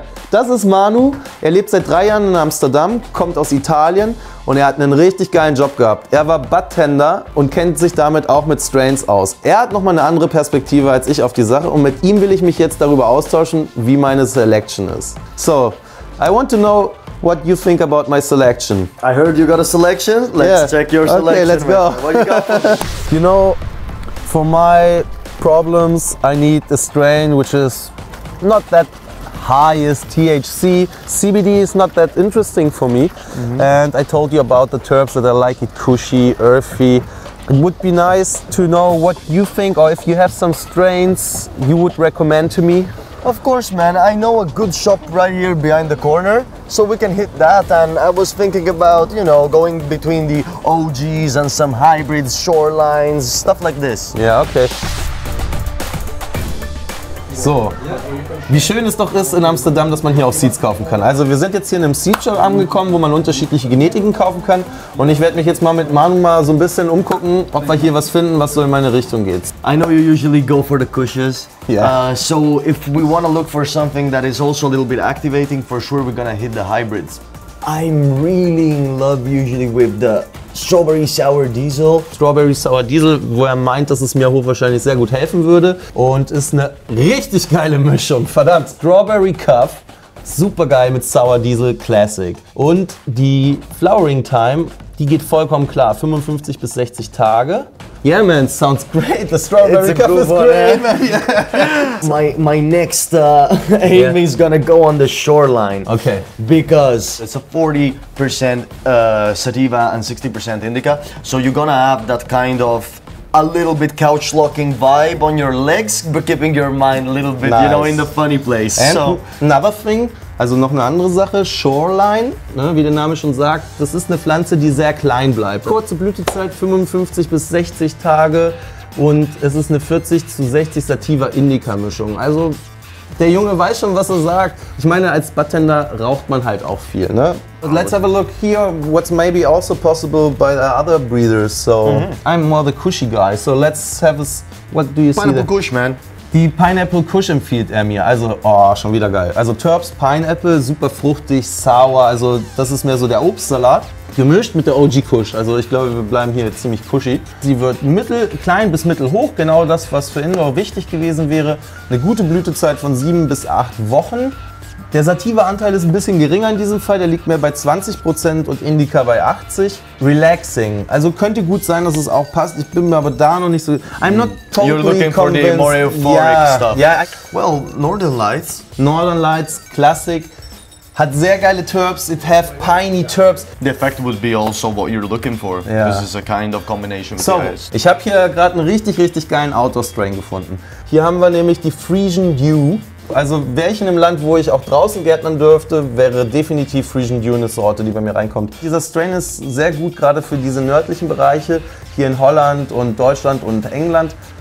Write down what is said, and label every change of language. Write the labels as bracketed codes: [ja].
[de] Das ist Manu. Er lebt seit 3 Jahren in Amsterdam, kommt aus Italien und er hat einen richtig geilen Job gehabt. Er war Bartender und kennt sich damit auch mit Strains aus. Er hat nochmal eine andere Perspektive als ich auf die Sache und mit ihm will ich mich jetzt darüber austauschen, wie meine Selection ist. [en] So, I want to know what you think about my selection. I heard you got a selection. Let's check your selection. Okay, let's go. What you got? You know, for my problems, I need a strain which is not that highest THC. CBD is not that interesting for me. Mm-hmm. And I told you about the terps that I like it cushy, earthy. It would be nice to know what you think or if you have some strains you would recommend to me. Of course, man. I know a good shop right here behind the corner, so we can hit that. And I was thinking about, you know, going between the OGs and some hybrids, shorelines, stuff like this. Yeah, okay. [de] So, wie schön es doch ist in Amsterdam, dass man hier auch Seeds kaufen kann. Also wir sind jetzt hier in einem Seedshop angekommen, wo man unterschiedliche Genetiken kaufen kann. Und ich werde mich jetzt mal mit Manu mal so ein bisschen umgucken, ob wir hier was finden, was so in meine Richtung geht. [en] I know you usually go for the cushions. Yeah. So if we want to look for something that is also a little bit activating, for sure we're gonna hit the hybrids. I'm really in love usually with the Strawberry Sour Diesel. [de] Strawberry Sour Diesel, wo er meint, dass es mir hochwahrscheinlich sehr gut helfen würde. Und ist eine richtig geile Mischung. Verdammt, Strawberry Cuff, super geil mit Sour Diesel Classic. Und die Flowering Time, die geht vollkommen klar, 55 bis 60 Tage. [en] Yeah man, sounds great, the Strawberry Cuff is great, man. Yeah. My next aim is gonna go on the shoreline. Okay. Because it's a 40% sativa and 60% indica, so you're gonna have that kind of a little bit couch locking vibe on your legs, but keeping your mind a little bit, you know, in the funny place. And so another thing, [de] also noch eine andere Sache, Shoreline, ne, wie der Name schon sagt, das ist eine Pflanze, die sehr klein bleibt. Kurze Blütezeit, 55 bis 60 Tage und es ist eine 40 zu 60 Sativa Indica Mischung. Also der Junge weiß schon, was er sagt. Ich meine, als Bartender raucht man halt auch viel, ne? [en] But let's have a look here, what's maybe also possible by the other breeders. So I'm more the cushy guy, so let's have a, what do you Pineapple see? Pineapple Kush, man. [de] Die Pineapple Kush empfiehlt er mir, also oh, schon wieder geil. Also Terps, Pineapple, super fruchtig, sour, also das ist mehr so der Obstsalat. Gemischt mit der OG Kush, also ich glaube, wir bleiben hier ziemlich pushy. Sie wird mittel, klein bis mittelhoch, genau das, was für Indoor wichtig gewesen wäre. Eine gute Blütezeit von 7 bis 8 Wochen. Der Sativa-Anteil ist ein bisschen geringer in diesem Fall, der liegt mehr bei 20% und Indica bei 80%. Relaxing, also könnte gut sein, dass es auch passt, ich bin mir aber da noch nicht so... [en] I'm not totally convinced. You're looking convinced. For the more euphoric stuff. Yeah. Well, Northern Lights. [de] Northern Lights, Classic. Hat sehr geile Terps, [en] it have piney Terps. The effect would be also what you're looking for. Yeah. This is a kind of combination with so, the ice. [de] Ich habe hier gerade einen richtig, richtig geilen Outdoor-Strain gefunden. Hier haben wir nämlich die Frisian Dew. Also wäre ich in einem Land, wo ich auch draußen gärtnern dürfte, wäre definitiv Frisian Dew eine Sorte, die bei mir reinkommt. Dieser Strain ist sehr gut gerade für diese nördlichen Bereiche, hier in Holland und Deutschland und England.